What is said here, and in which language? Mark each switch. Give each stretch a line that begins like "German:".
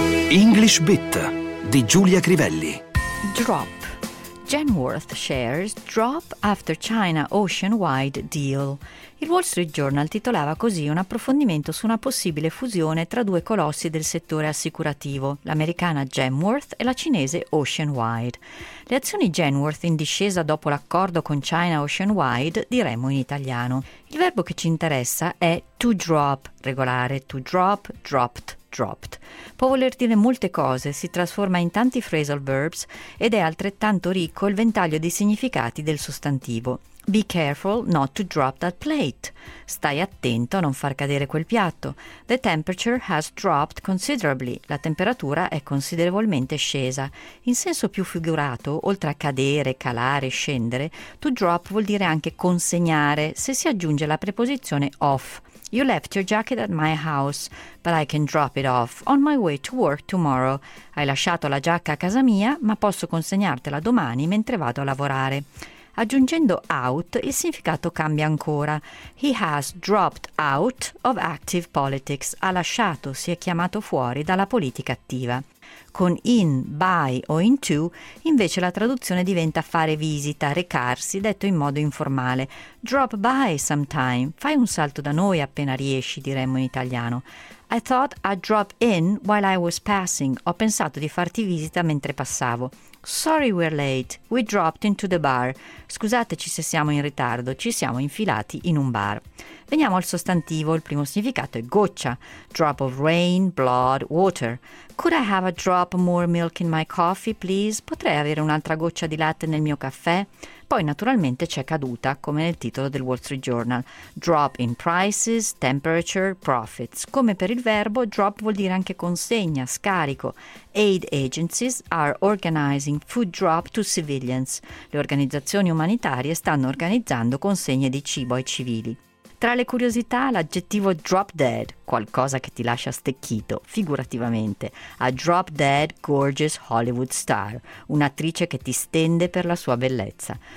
Italian: English Bit di Giulia Crivelli.
English: Drop. Genworth shares drop after China ocean-wide deal.
Italian: Il Wall Street Journal titolava così un approfondimento su una possibile fusione tra due colossi del settore assicurativo, l'americana Genworth e la cinese Oceanwide. Le azioni Genworth in discesa dopo l'accordo con China Oceanwide, diremmo in italiano. Il verbo che ci interessa è to drop, regolare,
English: to drop, dropped. Dropped.
Italian: Può voler dire molte cose, si trasforma in tanti phrasal verbs ed è altrettanto ricco il ventaglio di significati del sostantivo.
English: Be careful not to drop that plate.
Italian: Stai attento a non far cadere quel piatto.
English: The temperature has dropped considerably.
Italian: La temperatura è considerevolmente scesa. In senso più figurato, oltre a cadere, calare, scendere, to drop vuol dire anche consegnare, se si aggiunge la preposizione off.
English: You left your jacket at my house, but I can drop it off on my way to work tomorrow.
Italian: Hai lasciato la giacca a casa mia, ma posso consegnartela domani mentre vado a lavorare. Aggiungendo out, il significato cambia ancora.
English: He has dropped out of active politics.
Italian: Ha lasciato, si è chiamato fuori dalla politica attiva. Con in, by o into, invece la traduzione diventa fare visita, recarsi, detto in modo informale.
English: Drop by sometime.
Italian: Fai un salto da noi appena riesci, diremmo in italiano.
English: I thought I'd drop in while I was passing.
Italian: Ho pensato di farti visita mentre passavo.
English: Sorry we're late. We dropped into the bar.
Italian: Scusateci se siamo in ritardo. Ci siamo infilati in un bar. Veniamo al sostantivo. Il primo significato è goccia.
English: Drop of rain, blood, water. Could I have a drop more milk in my coffee, please?
Italian: Potrei avere un'altra goccia di latte nel mio caffè? Poi naturalmente c'è caduta, come nel titolo del Wall Street Journal.
English: Drop in prices, temperature, profits.
Italian: Come per il verbo, drop vuol dire anche consegna, scarico.
English: Aid agencies are organizing food drop to civilians.
Italian: Le organizzazioni umanitarie stanno organizzando consegne di cibo ai civili. Tra le curiosità, l'aggettivo drop dead, qualcosa che ti lascia stecchito, figurativamente.
English: A drop dead gorgeous Hollywood star,
Italian: un'attrice che ti stende per la sua bellezza.